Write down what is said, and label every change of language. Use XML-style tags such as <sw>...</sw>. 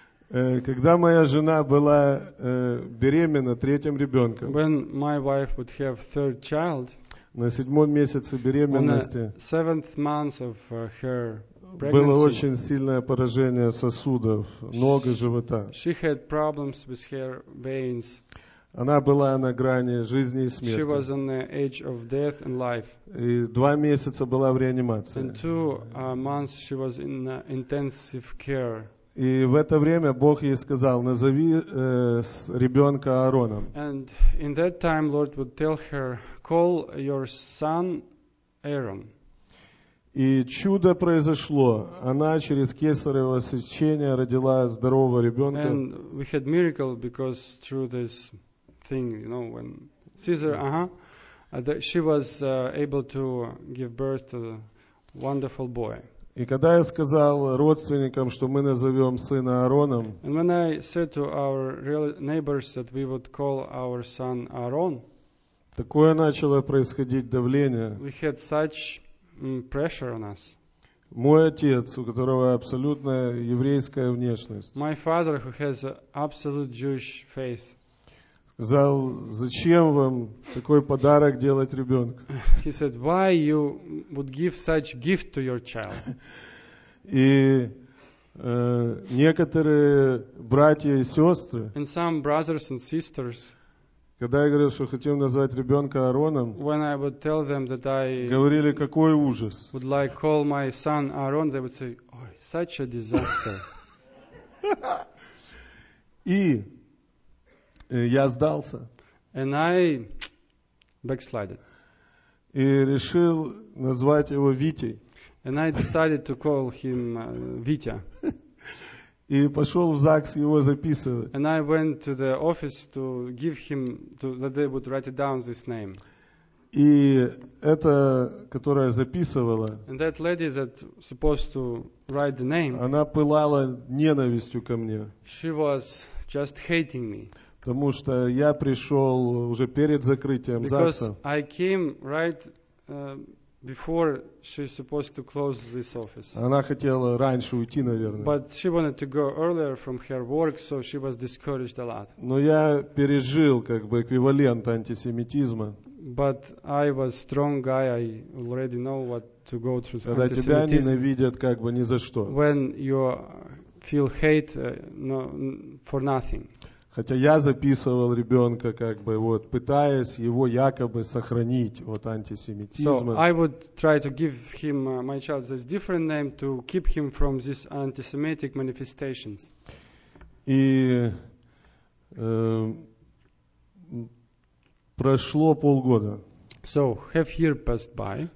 <ru>Когда моя жена была беременна третьим ребенком,</ru> <en>when my wife would have third child,</en> <ru>на седьмом месяце беременности</ru> <en>seventh month of her pregnancy,</en> <ru>было очень сильное поражение сосудов, ног и живота.</ru> <en>She had problems with her veins.</en> <ru>Она была на грани жизни и смерти.</ru> <en>She was on the edge of death and life.</en> <ru>И 2 месяца была в реанимации.</ru> <en>And 2 months she was in intensive care.</en> <ru>И в это время Бог ей сказал, назови ребенка Аароном.</ru> <en>And in that time Lord would tell her, call your son Aaron.</en> <ru>И чудо произошло. Она через кесарево сечение родила здорового ребенка.</ru> <en>And we had miracle because through this thing, you know, when Caesar, she was able to give birth to a wonderful boy.</en> <ru>И когда я сказал родственникам, что мы назовем сына Аароном,</ru> <en>and when I said to our neighbors that we would call our son Aaron,</en> <ru>такое начало происходить давление.</ru> <en>We had such pressure on us.</en> <ru>Мой отец, у которого абсолютно еврейская внешность,</ru> <en>my father, who has an absolute Jewish face,</en> <ru>сказал, зачем вам такой подарок делать ребенку?</ru> <en>He said, why you would give such gift to your child?</en> <ru>И некоторые братья и сестры,</ru> <en>and some brothers and sisters,</en> <ru>Когда я говорил, что хотим назвать ребенка Аароном,</ru> <en>when I would tell them that I</en> <ru>говорили, какой ужас.</ru> <en>Would like call my son Aaron, they would say, oh, such a disaster.</en> <ru>И я сдался.</ru> <en>And I backslided.</en> <ru>И решил назвать его Витей.</ru> <en>And I decided to call him Витя.</en> <ru>И пошел в ЗАГС его записывать.</ru> <en>And I went to the office to give him to, that they would write down this name.</en> <ru>И эта, которая записывала,</ru> <en>and that lady that supposed to write the name,</en> <ru>она пылала ненавистью ко мне.</ru> <en>She was just hating me.</en> <ru>Потому что я пришел уже перед закрытием</ru> <en>because</en> <ru>ЗАГСа.</ru> <en>Because I came right before she was supposed to close this office.</en> <ru>Она хотела раньше уйти, наверное.</ru> <en>But she wanted to go earlier from her work, so she was discouraged a lot.</en> <ru>Но я пережил как бы эквивалент антисемитизма.</ru> <en>But I was strong guy, I already know what to go through.</en> <ru>Когда тебя ненавидят как бы ни за что.</ru> <en>When you feel hate for nothing.</en> <ru>Хотя я записывал ребенка, как бы вот, пытаясь его якобы сохранить от антисемитизма.</ru> <en>So I would try to give him my child this different name to keep him from these anti-Semitic manifestations.</en> <ru>И прошло полгода.</ru> <en>So half year passed by.</en>